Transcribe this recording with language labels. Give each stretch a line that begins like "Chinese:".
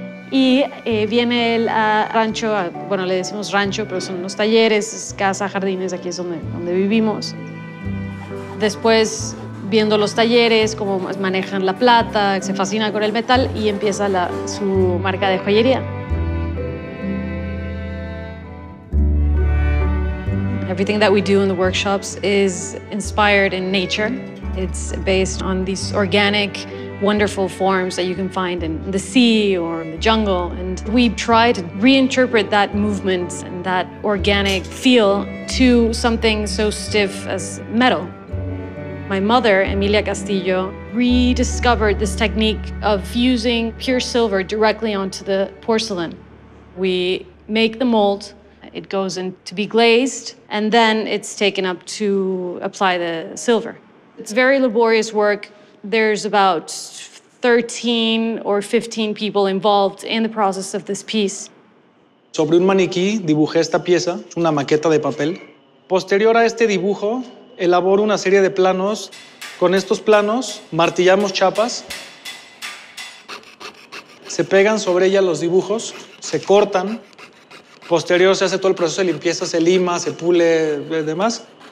Spanish: Y viene él a rancho, a, bueno, le decimos rancho, pero son los talleres, casa, jardines, aquí es donde vivimos. Después, viendo los talleres, cómo manejan la plata, se fascina con el metal y empieza su marca de joyería.
English: Everything that we do in the workshops is inspired in nature. It's based on these organic, wonderful forms that you can find in the sea or in the jungle. And we try to reinterpret that movement and that organic feel to something so stiff as metal. My mother, Emilia Castillo, rediscovered this technique of fusing pure silver directly onto the porcelain. We make the mold, it goes in to be glazed, and then it's taken up to apply the silver. It's very laborious work. There's about 13 or 15 people involved in the process of this piece.
Spanish: Sobre un maniquí dibujé esta pieza, una maqueta de papel. Posterior a este dibujo, elaboro una serie de planos. Con estos planos, martillamos chapas. Se pegan sobre ella los dibujos, se cortan. Posterior se hace todo el proceso de limpieza, se lima, se pule, demás.